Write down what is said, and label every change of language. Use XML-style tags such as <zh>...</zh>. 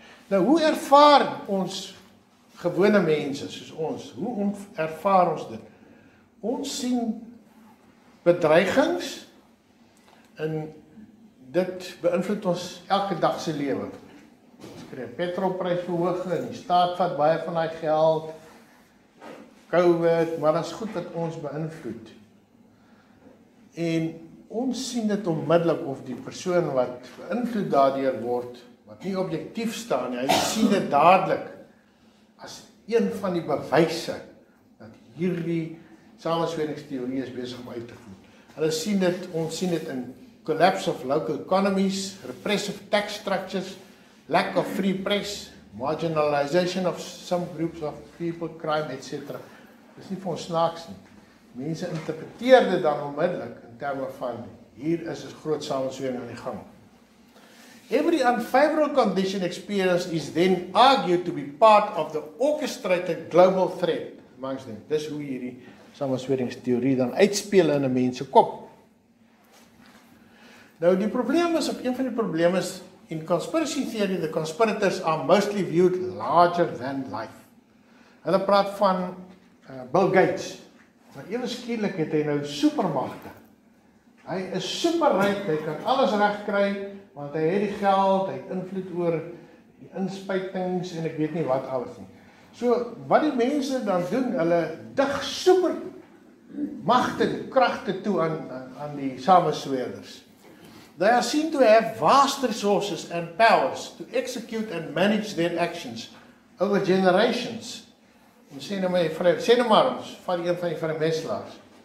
<af>Nou hoe ervaar ons gewone mense soos ons? Hoe ervaar ons dit? Ons sien bedreigings en dit beïnvloed ons elke dag se lewe. Ons kry petrolprys verhoog en die staat vat baie van daai geld. COVID, maar dit is goed wat ons beïnvloed. En ons sien dit onmiddellik of die persoon wat beïnvloed daardeur word, wat nie objektief staan nie, hy sien dit dadelik as een van die bewyse dat hierdie samensweringsteorie is besig om uit te voer. Hulle sien dit, ons sien dit in</af> <en>collapse of local economies, repressive tax structures, lack of free press, marginalization of some groups of people, crime, etc.</en> <af>Dis nie vir ons snaaks nie. Mense interpreteer dit dan onmiddellik in terme van hier is 'n groot samensweering aan die gang.</af> <en>Every unfavorable condition experienced is then argued to be part of the orchestrated global threat amongst them.</en> <af>Dis hoe hierdie samensweringsteorie dan uitspeel in 'n mens se kop. Nou die probleem is, op een van die probleme is in</af> <en>conspiracy theory the conspirators are mostly viewed larger than life.</en> <af>Hulle praat van Bill Gates. Maar ewe skielik het hy nou supermagte. Hy is super ryk, hy kan alles reg kry, want hy het die geld, hy het invloed oor die inspuitings en ek weet nie wat alles nie. So wat die mense dan doen, hulle dig super magte en kragte toe aan die samenswerders.</af> <en>They are seen to have vast resources and powers to execute and manage their actions over generations.</en> <af>Sê nou maar ons, van die een van die vermeslaars.</af>